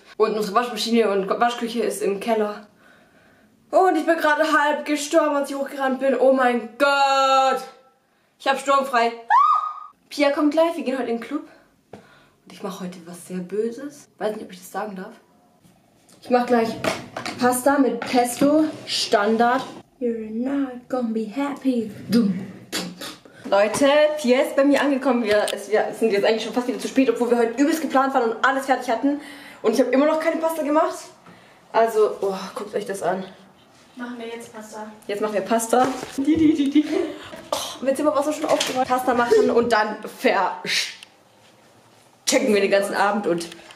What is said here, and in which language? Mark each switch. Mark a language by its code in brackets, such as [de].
[de] Und unsere Waschmaschine und Waschküche ist im Keller. Und ich bin gerade halb gestorben, als ich hochgerannt bin. Oh mein Gott. Ich habe sturmfrei. Ah! Pia kommt gleich, wir gehen heute in den Club. Und ich mache heute was sehr Böses. Weiß nicht, ob ich das sagen darf. Ich mache gleich Pasta mit Pesto, Standard. [en] You're not gonna be happy. [de] Dumm. Leute, Pia ist bei mir angekommen. Wir sind jetzt eigentlich schon fast wieder zu spät, obwohl wir heute übelst geplant waren und alles fertig hatten. Und ich habe immer noch keine Pasta gemacht. Also, oh, guckt euch das an. Machen wir jetzt Pasta. Die. Oh, wenn sie mal Wasser schon aufgeräumt. Pasta machen und dann checken wir den ganzen Abend und